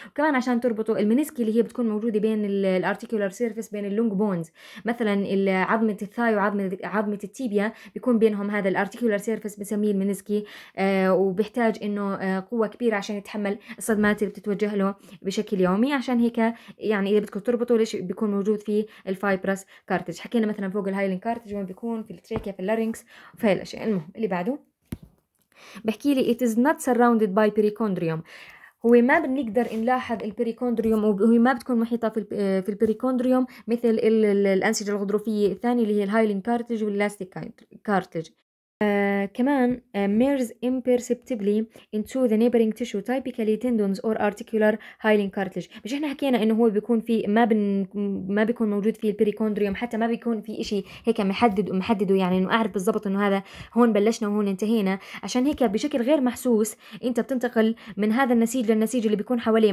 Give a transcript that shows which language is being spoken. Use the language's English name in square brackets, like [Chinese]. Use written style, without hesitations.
[Arabic] وكمان عشان تربطه المينيسكي اللي هي بتكون موجوده بين الارتيكولار سيرفيس بين اللونج بونز، مثلا عظمه الثاي وعظمه التيبيا بيكون بينهم هذا الارتيكولار سيرفيس بنسميه المينيسكي، وبيحتاج انه قوه كبيره عشان يتحمل الصدمات اللي بتتوجه له بشكل يومي. عشان هيك يعني اذا بدكم تربطوا ليش بيكون موجود في الفايبرس كارتج. حكينا مثلا فوق الهايلين كارتج وين بيكون، في التريكيا، في اللارينكس، وفي الاشياء. المهم اللي بعده بحكي لي [English] it is not surrounded by pericondrium. [Arabic] هو ما بنقدر نلاحظ البريكوندريوم، وهي ما بتكون محيطة في البريكوندريوم مثل الأنسجة الغضروفية الثانية اللي هي الهايلين كارتج واللاستيك كارتج. كمان [English] mirrors imperceptibly into the neighboring tissue, typically tendons or articular hyaline cartilage. [Arabic] مش احنا حكينا انه هو بيكون في ما بيكون موجود في البريكوندريوم، حتى ما بيكون في اشي هيك محدده يعني انه اعرف بالضبط انه هذا هون بلشنا وهون انتهينا. عشان هيك بشكل غير محسوس انت بتنتقل من هذا النسيج للنسيج اللي بيكون حواليه.